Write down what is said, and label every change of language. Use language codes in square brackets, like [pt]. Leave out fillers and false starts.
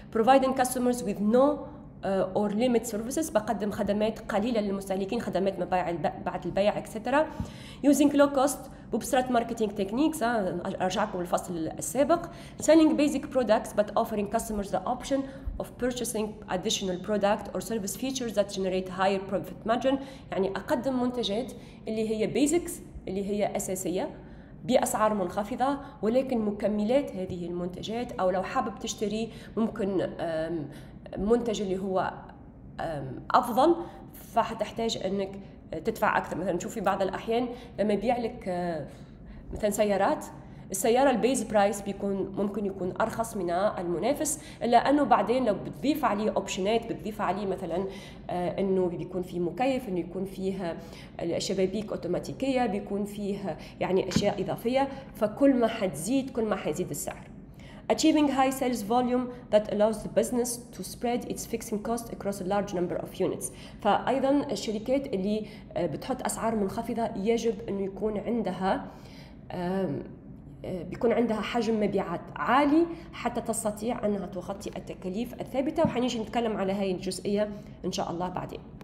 [en] providing customers with no or limit services، [ar] بقدم خدمات قليلة للمستهلكين، خدمات ما بعد البيع [en] etc. using low cost bootstrap marketing techniques، [ar] أرجعكم للفصل السابق. [en] selling basic products but offering customers the option of purchasing additional product or service features that generate higher profit margin، [ar] يعني أقدم منتجات اللي هي basics اللي هي أساسية بأسعار منخفضة، ولكن مكملات هذه المنتجات، أو لو حابب تشتري ممكن منتج اللي هو أفضل فحتحتاج أنك تدفع أكثر. مثلا نشوف في بعض الأحيان لما يبيع لك مثلا سيارات، السيارة البيز برايس بيكون ممكن يكون أرخص من المنافس، إلا أنه بعدين لو بتضيف عليه أوبشنات، بتضيف عليه مثلا أنه بيكون فيه مكيف، أنه يكون فيه الشبابيك أوتوماتيكية، بيكون فيه يعني أشياء إضافية، فكل ما حتزيد كل ما حيزيد السعر. [en] Achieving high sales volume that allows the business to spread its fixing cost across a large number of units. [ar] فأيضا الشركات اللي بتحط أسعار منخفضة يجب أنه يكون عندها بيكون عندها حجم مبيعات عالي حتى تستطيع أنها تغطي التكاليف الثابتة، وحنيجي نتكلم على هاي الجزئية إن شاء الله بعدين.